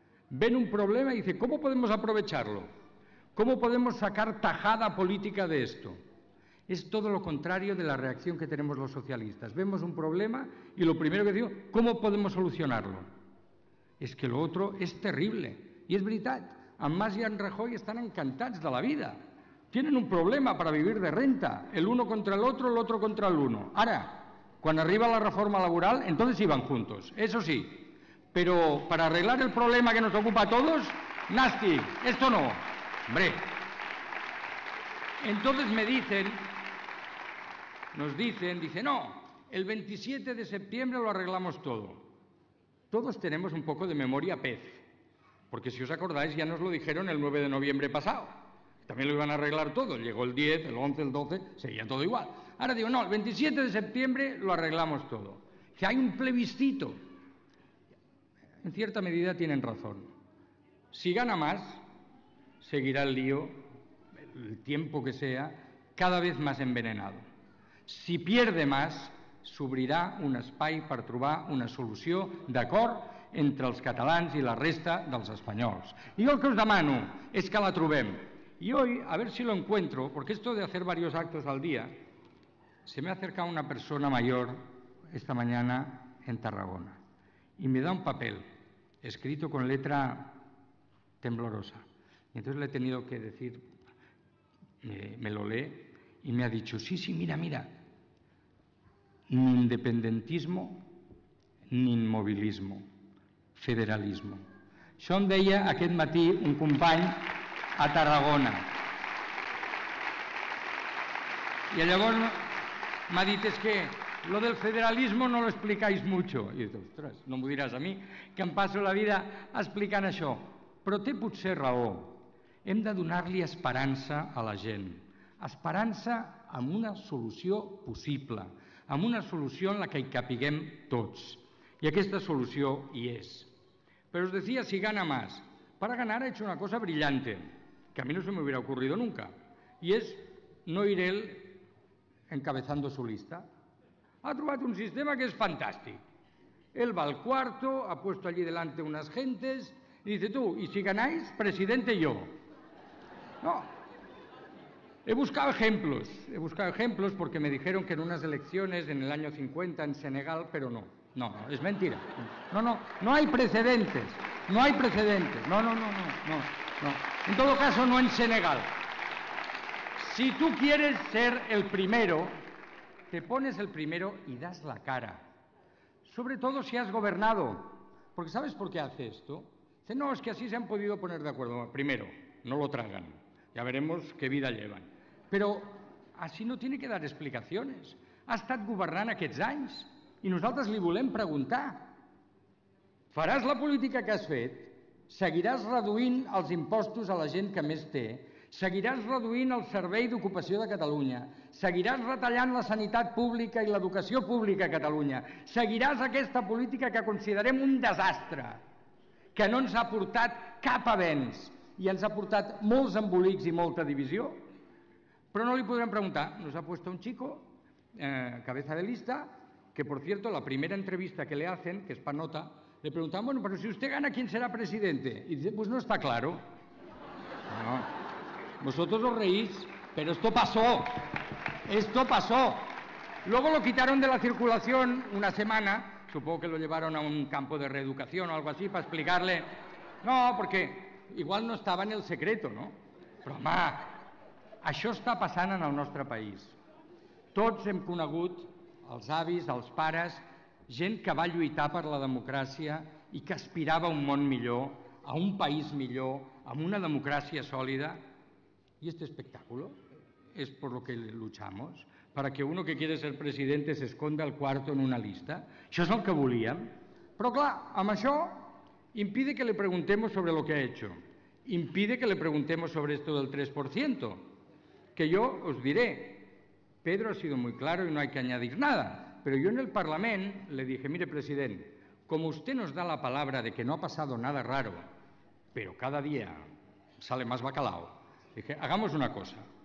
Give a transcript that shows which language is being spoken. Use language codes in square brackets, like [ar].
[es] Ven un problema y dice, ¿cómo podemos aprovecharlo? ¿Cómo podemos sacar tajada política de esto? Es todo lo contrario de la reacción que tenemos los socialistas. Vemos un problema y lo primero que digo, ¿cómo podemos solucionarlo? Es que lo otro es terrible. [ca] I és veritat, en Mas i en Rajoy estan encantats de la vida. [es] Tienen un problema para vivir de renta, el uno contra el otro, el otro contra el uno. [ca] Ara, quan arriba la reforma laboral, [es] entonces iban juntos, eso sí. Pero para arreglar el problema que nos ocupa a todos, nasty, esto no. Hombre. Entonces me dicen, nos dicen, dice, no, el 27 de septiembre lo arreglamos todo. Todos tenemos un poco de memoria pez. Porque si os acordáis, ya nos lo dijeron el 9 de noviembre pasado. También lo iban a arreglar todo. Llegó el 10, el 11, el 12, seguía todo igual. Ahora digo, no, el 27 de septiembre lo arreglamos todo. Que hay un plebiscito. En cierta medida tienen razón. Si gana más, seguirá el lío, el tiempo que sea, cada vez más envenenado. Si pierde más, [ca] s'obrirà un espai per trobar una solució d'acord entre els catalans i la resta dels espanyols. I jo el que us demano és que la trobem. I avui, a veure si [es] lo encuentro, perquè esto de hacer varios actos al día, se me ha acercado una persona mayor esta mañana en Tarragona y me da un papel escrito con letra temblorosa. Y entonces le he tenido que decir, me lo lee y me ha dicho, sí, sí, mira, mira, ni independentismo ni inmovilismo, federalismo. [ca] Això em deia aquest matí un company a Tarragona. I llavors m'ha dit, és que [es] lo del federalismo no lo explicáis mucho. [ca] I he dit, ostres, no m'ho diràs a mi, que em passo la vida explicant això. Però té potser raó. Hem de donar-li esperança a la gent. Esperança amb una solució possible, amb una solució en la que hi capiguem tots. I aquesta solució hi és. Però us [es] decía, si gana más, para ganar ha hecho una cosa brillante, que a mí no se me hubiera ocurrido nunca, y es no ir él encabezando su lista. [ca] Ha trobat un sistema que es fantàstic. [es] Él va al cuarto, ha puesto allí delante unas gentes, y dice tú, y si ganáis, presidente yo. No, he buscado ejemplos porque me dijeron que en unas elecciones en el año 50 en Senegal, pero no. No, no, es mentira. No, no, no hay precedentes. No hay precedentes. No, no, no, no, no, no. En todo caso, no en Senegal. Si tú quieres ser el primero, te pones el primero y das la cara. Sobre todo si has gobernado. Porque ¿sabes por qué hace esto? Dice, no, es que así se han podido poner de acuerdo. Primero, no lo tragan. Ya veremos qué vida llevan. Pero así no tiene que dar explicaciones. [ca] Ha estat governant aquests anys. I nosaltres li volem preguntar, faràs la política que has fet? Seguiràs reduint els impostos a la gent que més té? Seguiràs reduint el servei d'ocupació de Catalunya? Seguiràs retallant la sanitat pública i l'educació pública a Catalunya? Seguiràs aquesta política que considerem un desastre, que no ens ha portat cap avenç i ens ha portat molts embolics i molta divisió? Però no li podrem preguntar, [es] nos ha puesto un chico, cabeza de lista, que, por cierto, la primera entrevista que le hacen, que es pa nota, le preguntan, bueno, pero si usted gana, ¿quién será presidente? Y dice, pues no está claro. No. Vosotros os reís, pero esto pasó. Esto pasó. Luego lo quitaron de la circulación una semana, supongo que lo llevaron a un campo de reeducación o algo así, para explicarle, no, porque igual no estaba en el secreto, ¿no? [ca] Però, home, això està passant en el nostre país. Tots hem conegut els avis, els pares, gent que va lluitar per la democràcia i que aspirava a un món millor, a un país millor, a una democràcia sòlida. [es] I este espectáculo es por lo que luchamos, para que uno que quiere ser presidente se esconda al cuarto en una lista. [ca] Això és el que volíem. Però clar, amb això [es] impide que le preguntemos sobre lo que ha hecho. Impide que le preguntemos sobre esto del 3%, que yo os diré, Pedro ha sido muy claro y no hay que añadir nada. Pero yo en el Parlament le dije, mire, president, como usted nos da la palabra de que no ha pasado nada raro, pero cada día sale más bacalao, dije, hagamos una cosa.